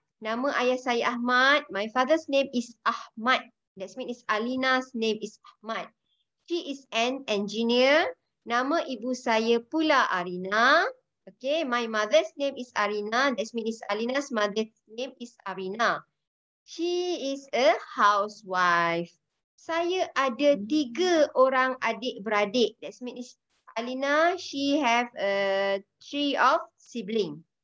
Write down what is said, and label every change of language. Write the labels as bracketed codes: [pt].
[ms] Nama ayah saya Ahmad. [en] My father's name is Ahmad. That means it's Alina's name is Ahmad. She is an engineer. [ms] Nama ibu saya pula Arina. [en] Okay, my mother's name is Arina. That means it's Alina's mother's name is Arina. She is a housewife. [ms] Saya ada tiga orang adik beradik. [en] That means Alina, she have a three of sibling.